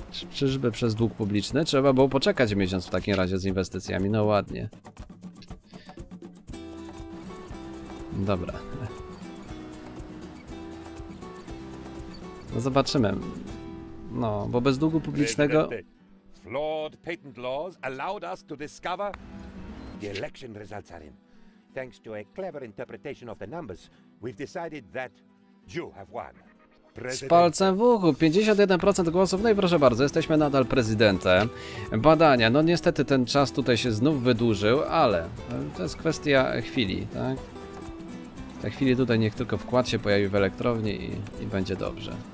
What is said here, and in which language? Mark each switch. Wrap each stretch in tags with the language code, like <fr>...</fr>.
<pl>Czyżby przez dług publiczny? Trzeba było poczekać miesiąc w takim razie z inwestycjami, no ładnie. Dobra. No zobaczymy. No, bo bez długu publicznego...</pl> <en>Flawed patent laws allowed us to discover the election results are in. Thanks to a clever interpretation of the numbers, we've decided that you have won.</en> <pl>Z palcem w uchu, 51% głosów, no i proszę bardzo, jesteśmy nadal prezydentem. Badania, no niestety ten czas tutaj się znów wydłużył, ale to jest kwestia chwili, tak? W tej chwili tutaj niech tylko wkład się pojawi w elektrowni i będzie dobrze.</pl>